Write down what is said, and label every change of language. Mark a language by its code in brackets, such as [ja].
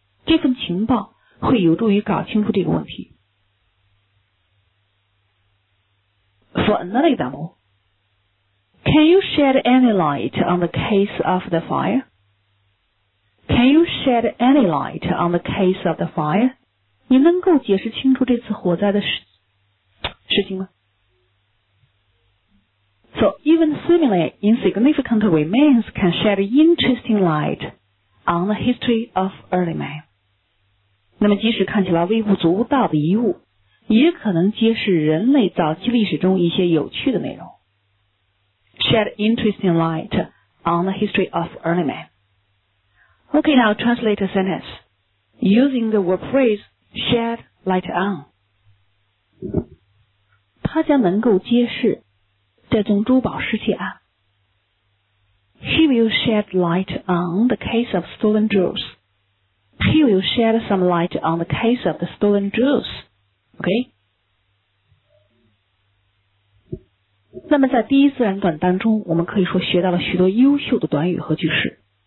[zh] 这份情报会有助于搞清楚这个问题。 [en] For another example, can you shed any light on the case of the fire? Can you shed any light on the case of the fire? [zh] 你能够解释清楚这次火灾的 事情吗？ [en] So even seemingly insignificant remains can shed interesting light on the history of early man. [zh] 那么即使看起来微不足道的遗物，也可能揭示人类早期历史中一些有趣的内容。 [en] Shed interesting light on the history of early man. Okay, now translate a sentence. Using the word phrase, shed light on. [zh] 他将能够揭示这宗珠宝失窃案。 [en] He will shed light on the case of stolen jewels. He will shed some light on the case of the stolen jewels. [zh] OK， 那么在第一自然段当中，我们可以说学到了许多优秀的短语和句式。